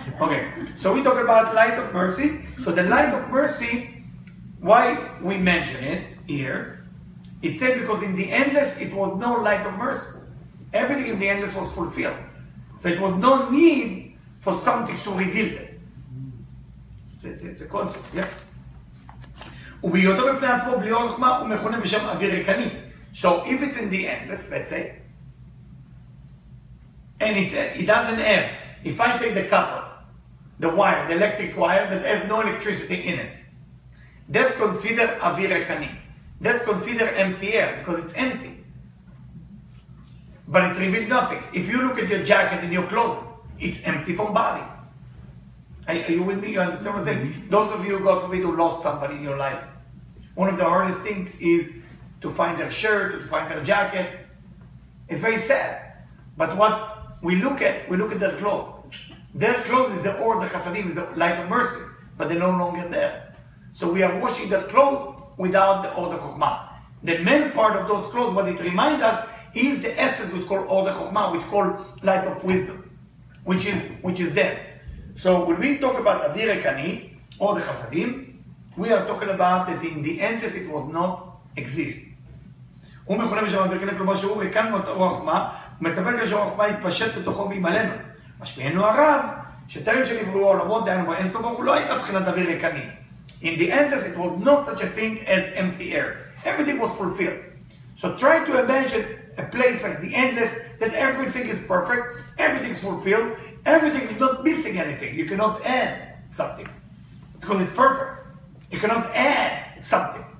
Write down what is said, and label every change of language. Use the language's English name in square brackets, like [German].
[English] Okay, so we talk about light of mercy. So the light of mercy, why we mention it here? It said because in the endless, it was no light of mercy. Everything in the endless was fulfilled. So it was no need for something to reveal it. It's a concept, yeah. [Hebrew] וביותו בפני עצמו בלי אור חכמה הוא מכונה בשם אוויר ריקני. [English] So if it's in the endless, let's say, and it doesn't have, if I take the copper, the wire, the electric wire that has no electricity in it, that's considered אוויר ריקני. That's considered empty air, because it's empty. But it's revealed nothing. If you look at your jacket and your closet, it's empty from body. Are you with me? You understand what I'm saying? Mm-hmm. Those of you, God forbid, who lost somebody in your life, one of the hardest things is to find their shirt, to find their jacket. It's very sad. But what we look at their clothes. Their clothes is the Or de Chassadim, is the light of mercy, but they're no longer there. So we are washing their clothes without the Or de Chokhmah. The main part of those clothes, what it reminds us, is the essence we call Or de Chokhmah, we call light of wisdom, which is there. So when we talk about Avir Rekani, Or de Chassadim, we are talking about that in the endless it was not exist. [Hebrew] הוא מכונה בשם אוויר ריקני, כלומר שהוא ריקן מאור החוכמה, ומצפה כדי שאור החוכמה יתפשט בתוכו וימלאנו. משמיענו הרב, שטרם שנבראו העולמות, דהיינו באין סוף, הוא לא הייתה בחינת אוויר ריקני. [English] In the endless it was not such a thing as empty air. Everything was fulfilled. So try to imagine a place like the endless, that everything is perfect, everything is fulfilled, everything is not missing anything. You cannot add something, because it's perfect. You cannot add something.